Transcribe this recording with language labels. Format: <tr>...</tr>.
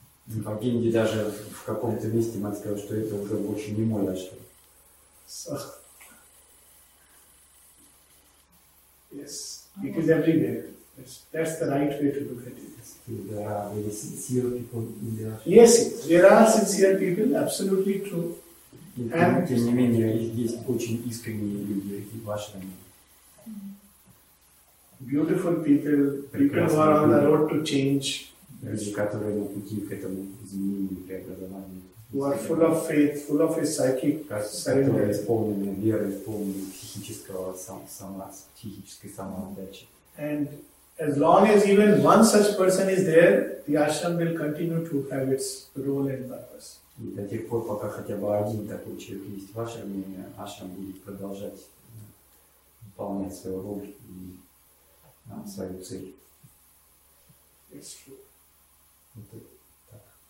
<en>In Bhagavad Gita,</en> <ru>даже в каком-то месте мать сказала, что это уже больше не мой ашрам.</ru> <en>So, yes, it is everywhere. That's the right way to look at it. There are very sincere people in the ashram. Yes, there are sincere people, absolutely true.</en> <ru>And тем не менее, есть очень искренние люди в ашраме.</ru> <en>Beautiful people who are on the road to change.</en> <ru>Люди, которые на пути к этому изменению, преобразованию.</ru> <en>Who are full of faith, full of a psychic surrender.</en> <ru>Которые исполнены веры, исполнены психической самоотдачи.</ru> <en>And as long as even one such person is there, the ashram will continue to have its role and purpose.</en> <ru>До тех пор, пока хотя бы один такой человек есть в ашраме, ашрам будет продолжать выполнять свою роль и свою цель.</ru> <en>It's true.</en> <ru>Это так.</ru>